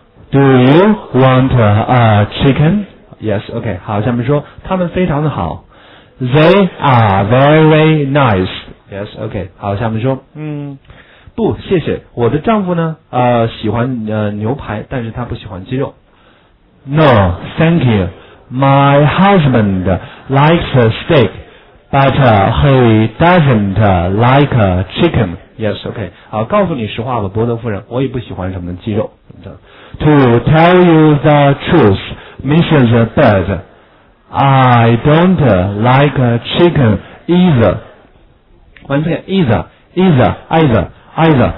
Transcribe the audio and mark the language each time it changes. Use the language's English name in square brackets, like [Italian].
[English] ？Do you want a chicken? Yes. Okay. [Chinese] 好，下面说，他们非常的好。 [English] They are very nice. Yes. Okay. [Chinese] 好，下面说，不，谢谢。我的丈夫呢？喜欢牛排，但是他不喜欢鸡肉。 [English] No. Thank you. My husband likes steak, but he doesn't like chicken. Yes, okay. [Chinese] 好，告诉你实话吧，伯德夫人，我也不喜欢什么鸡肉。 [English] To tell you the truth, Mrs. Bird, I don't like chicken either. Once again, either, either, either, either.